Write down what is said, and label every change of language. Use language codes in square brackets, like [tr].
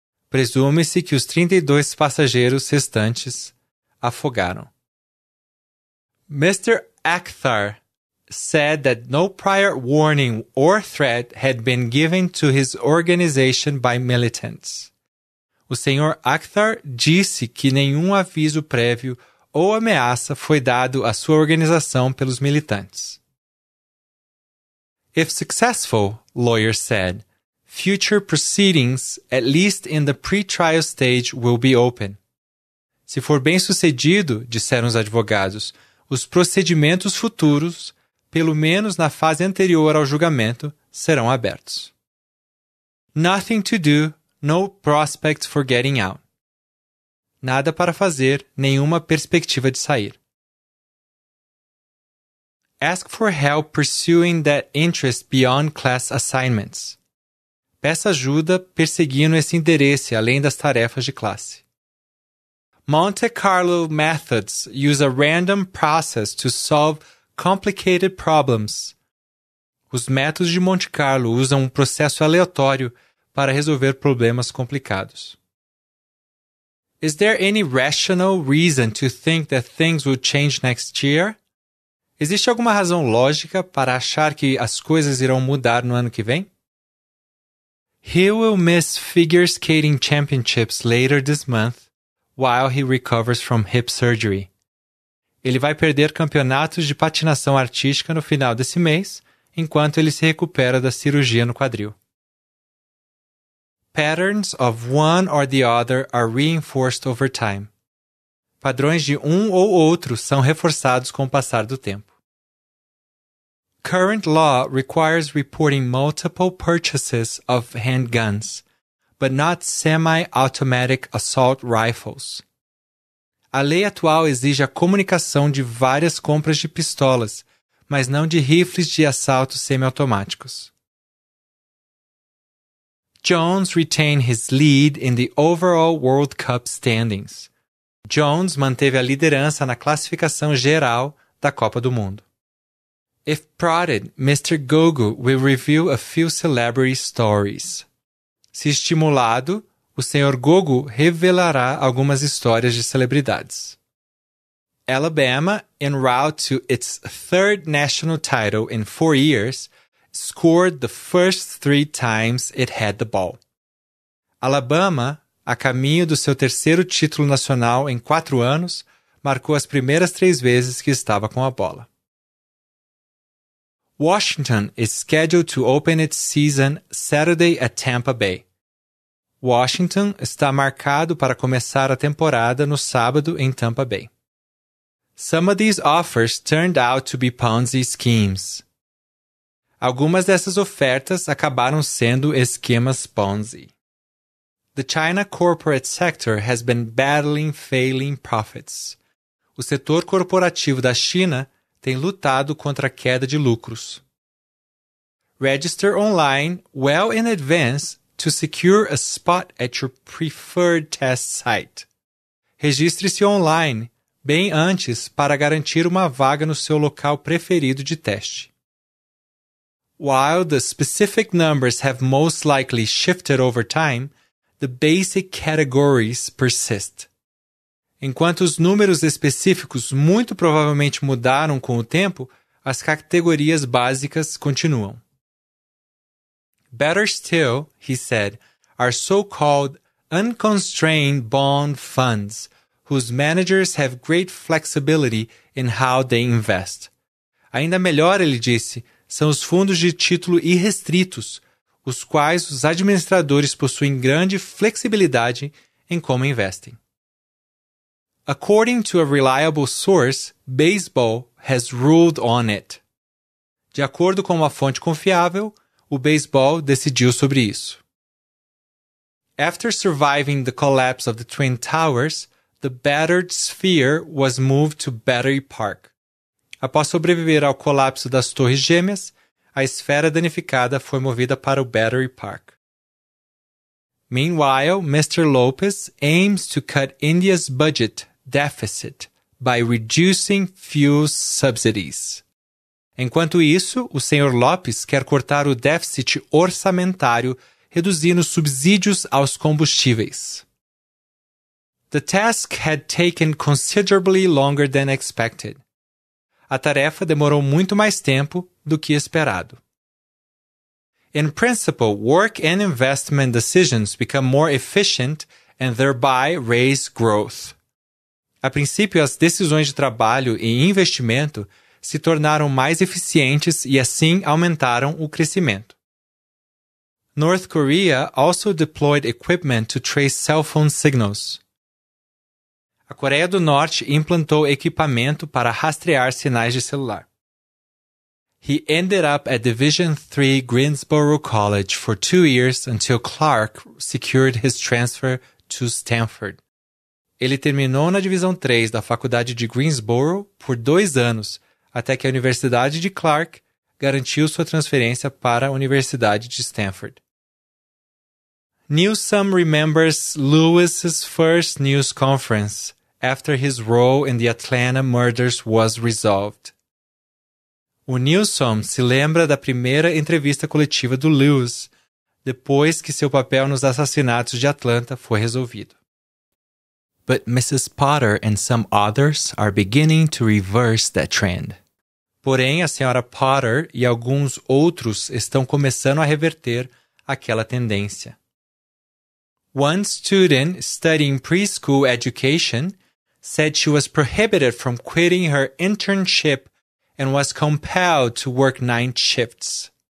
[pt] Presume-se que os 32 passageiros restantes afogaram. Mr. [en] Akhtar said that no prior warning or threat had been given to his organization by militants. [pt] O Sr. Akhtar disse que nenhum aviso prévio ou ameaça foi dado à sua organização pelos militantes. [en] If successful, lawyer said, future proceedings, at least in the pre-trial stage, will be open. [pt] Se for bem-sucedido, disseram os advogados, os procedimentos futuros, pelo menos na fase anterior ao julgamento, serão abertos. [en] Nothing to do, no prospect for getting out. [pt] Nada para fazer, nenhuma perspectiva de sair. [en] Ask for help pursuing that interest beyond class assignments. [pt] Peça ajuda perseguindo esse interesse além das tarefas de classe. [en] Monte Carlo methods use a random process to solve complicated problems. [pt] Os métodos de Monte Carlo usam um processo aleatório para resolver problemas complicados. [en] Is there any rational reason to think that things will change next year? [pt] Existe alguma razão lógica para achar que as coisas irão mudar no ano que vem? [en] He will miss figure skating championships later this month while he recovers from hip surgery. [pt] Ele vai perder campeonatos de patinação artística no final desse mês, enquanto ele se recupera da cirurgia no quadril. [en] Patterns of one or the other are reinforced over time. [pt] Padrões de um ou outro são reforçados com o passar do tempo. [en] Current law requires reporting multiple purchases of handguns, but not semi-automatic assault rifles. [pt] A lei atual exige a comunicação de várias compras de pistolas, mas não de rifles de assalto semiautomáticos. [en] Jones retained his lead in the overall World Cup standings. [pt] Jones manteve a liderança na classificação geral da Copa do Mundo. [en] If prodded, Mr. Gogo will reveal a few celebrity stories. [pt] Se estimulado, o Sr. Gogo revelará algumas histórias de celebridades. [en] Alabama, en route to its third national title in 4 years, scored the first 3 times it had the ball. Alabama, [pt] a caminho do seu terceiro título nacional em 4 anos, marcou as primeiras 3 vezes que estava com a bola. [en] Washington is scheduled to open its season Saturday at Tampa Bay. [pt] Washington está marcado para começar a temporada no sábado em Tampa Bay. [en] Some of these offers turned out to be Ponzi schemes. [pt] Algumas dessas ofertas acabaram sendo esquemas Ponzi. [en] The China corporate sector has been battling failing profits. [pt] O setor corporativo da China tem lutado contra a queda de lucros. [en] Register online well in advance to secure a spot at your preferred test site. [pt] Registre-se online bem antes para garantir uma vaga no seu local preferido de teste. [en] While the specific numbers have most likely shifted over time, the basic categories persist. [pt] Enquanto os números específicos muito provavelmente mudaram com o tempo, as categorias básicas continuam. [en] Better still, he said, are so-called unconstrained bond funds, whose managers have great flexibility in how they invest. [pt] Ainda melhor, ele disse, são os fundos de título irrestritos, os quais os administradores possuem grande flexibilidade em como investem. [en] According to a reliable source, baseball has ruled on it. [pt] De acordo com uma fonte confiável, o beisebol decidiu sobre isso. [en] After surviving the collapse of the Twin Towers, the battered sphere was moved to Battery Park. [pt] Após sobreviver ao colapso das Torres Gêmeas, a esfera danificada foi movida para o Battery Park. [en] Meanwhile, Mr. Lopez aims to cut India's budget deficit by reducing fuel subsidies. [pt] Enquanto isso, o Sr. Lopes quer cortar o déficit orçamentário, reduzindo subsídios aos combustíveis. [en] The task had taken considerably longer than expected. [pt] A tarefa demorou muito mais tempo do que esperado. [en] In principle, work and investment decisions become more efficient and thereby raise growth. [pt] A princípio, as decisões de trabalho e investimento se tornaram mais eficientes e assim aumentaram o crescimento. [en] North Korea also deployed equipment to trace cell phone signals. [pt] A Coreia do Norte implantou equipamento para rastrear sinais de celular. [en] He ended up at Division III Greensboro College for 2 years until Clark secured his transfer to Stanford. [pt] Ele terminou na Divisão 3 da Faculdade de Greensboro por 2 anos, até que a Universidade de Clark garantiu sua transferência para a Universidade de Stanford. [en] Newsom remembers Lewis's first news conference after his role in the Atlanta murders was resolved. [pt] O Newsom se lembra da primeira entrevista coletiva do Lewis depois que seu papel nos assassinatos de Atlanta foi resolvido. [en] But Mrs. Potter and some others are beginning to reverse that trend. [pt] Porém, a senhora Potter e alguns outros estão começando a reverter aquela tendência. [en] One student studying preschool education said she was prohibited from quitting her internship and was compelled to work 9 shifts.